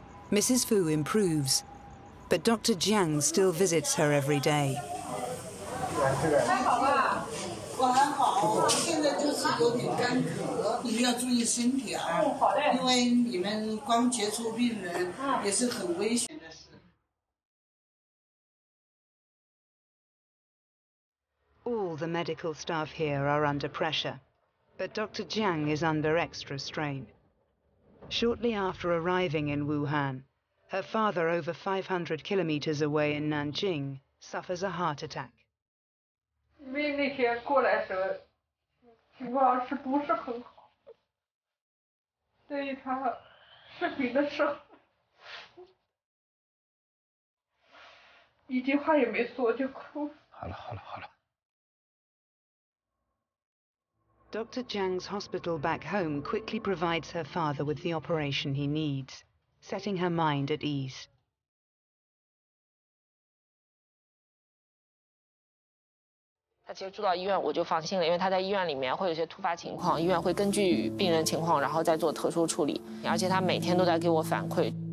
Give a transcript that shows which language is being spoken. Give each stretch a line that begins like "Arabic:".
English: Mrs. Fu improves, but Dr. Jiang still visits her every day.
Chinese: 还好吧？我还好，我现在就是有点干咳，你们要注意身体啊。哦，好的。因为你们光接触病人也是很危险的事。
English: All the medical staff here are under pressure, but Dr. Jiang is under extra strain. Shortly after arriving in Wuhan, her father, over 500 kilometers away in Nanjing, suffers a heart attack.
Chinese: 因为那天过来的时候，情况是不是很好？所以他视频的时候，一句话也没说就哭。好了，好了，好了。
English: Dr. Jiang's hospital back home quickly provides her father with the operation he needs, setting her mind at ease. He
Chinese: 接触到医院，我就放心了，因为他在医院里面会有些突发情况，医院会根据病人情况，然后再做特殊处理。而且他每天都在给我反馈。